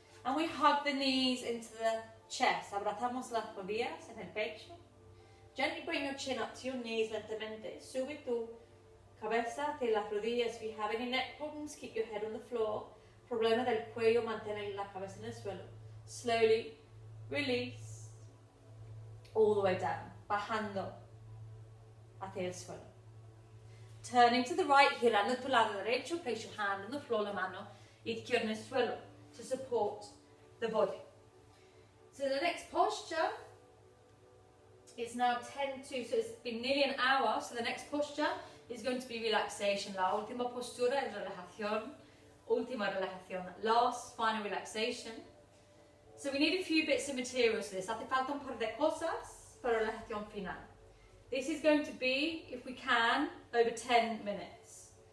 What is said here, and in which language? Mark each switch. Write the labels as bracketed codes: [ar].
[en] And we hug the knees into the chest. [es] Abrazamos las rodillas en el pecho. [en] Gently bring your chin up to your knees [es] lentamente. Sube tu cabeza hacia las rodillas. [en] If you have any neck problems, keep your head on the floor. [es] Problema del cuello, mantener la cabeza en el suelo. [en] Slowly release all the way down, [es] bajando hacia el suelo. [en] Turning to the right, [es] girando tu lado derecho, [en] place your hand on the floor, [es] la mano izquierda en el suelo, [en] to support the body. So the next posture is now 10-2, so it's been nearly an hour, so the next posture is going to be relaxation. [es] La última postura es relajación, última relajación, [en] last, final relaxation. So we need a few bits of materials for this. [es] Hace falta un par de cosas para relajación final. [en] This is going to be, if we can, over 10 minutes.